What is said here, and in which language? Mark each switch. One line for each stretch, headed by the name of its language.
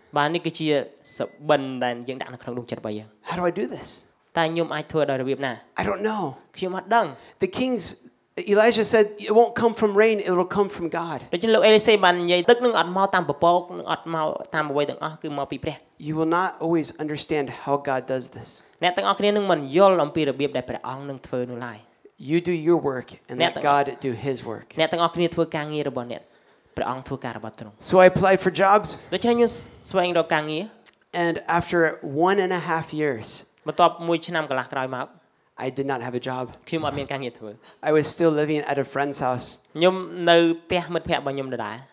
Khmer: បាននេះគឺជាសបិនដែលយើងដាក់នៅក្នុងដួងចិត្តរបស់យើង
English: How do I do this?
Khmer: តែខ្ញុំអាចធ្វើដោយរបៀបណា
English: I don't know
Khmer: ខ្ញុំអត់ដឹង
English: The kings Elijah said it won't come from rain it will come from God
Khmer: ដូច្នេះលោកអេលីសេបាននិយាយទឹកនឹងអត់មកតាមពពកនឹងអត់មកតាមអ្វីទាំងអស់គឺមកពីព្រះ
English: You will not always understand how God does this
Khmer: អ្នកទាំងអស់គ្នានឹងមិនយល់អំពីរបៀបដែលព្រះអង្គនឹងធ្វើនោះឡើយ
English: You do your work and let God do his work
Khmer: អ្នកទាំងអស់គ្នាធ្វើការងាររបស់អ្នកព្រះអង្គធ្វើការរបស់ទ្រង់
English: So I applied for jobs
Khmer: ដូច្នេះខ្ញុំស្វែងរកការងារ
English: And after 1.5 years
Khmer: បន្ទាប់មួយឆ្នាំកន្លះក្រោយមក
English: I did not have a job.
Khmer: ខ្ញុំអត់មានការងារធ្វើ
English: I was still living at a friend's house.
Khmer: ខ្ញុំនៅផ្ទះមិត្តភក្តិរបស់ខ្ញុំដដែល